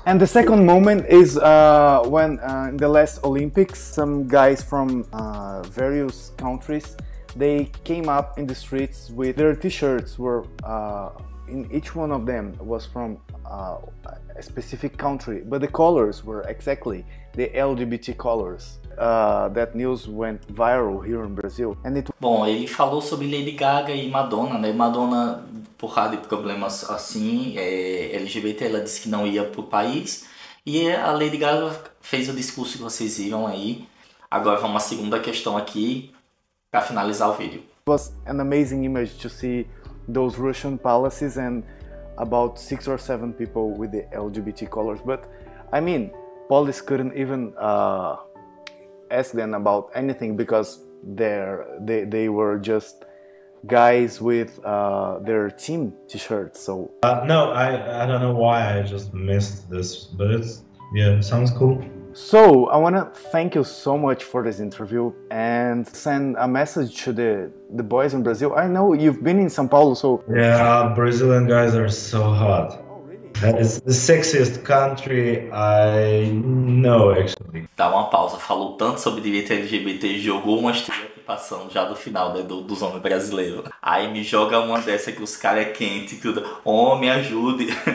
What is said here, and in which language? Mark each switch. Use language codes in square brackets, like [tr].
[en] And the second moment is when in the last Olympics, some guys from various countries, they came up in the streets with their t-shirts were in each one of them was from a specific country, but the colors were exactly the LGBT colors. That news went viral here in Brazil. And it [pt] Bom, ele falou sobre Lady Gaga e Madonna, né? Madonna, por causa de problemas assim, LGBT, ela disse que não ia pro país. E a Lady Gaga fez o discurso que vocês viram aí. Agora vamos à segunda questão aqui para finalizar o vídeo. [en] It was an amazing image to see those Russian palaces and about six or seven people with the LGBT colors. But I mean, police couldn't even ask them about anything because they were just guys with their team t-shirts. So no, I don't know why I just missed this, but it's, yeah, sounds cool. So I want to thank you so much for this interview and send a message to the boys in Brazil. I know you've been in São Paulo, so yeah, Brazilian guys are so hot. It's the sexiest country I know, actually. [pt] Dá uma pausa, falou tanto sobre direito LGBT, jogou uma estereotipação já do final, né, dos homens brasileiros. Aí me joga uma dessa que os caras é quente e tudo. Homem, oh, ajude.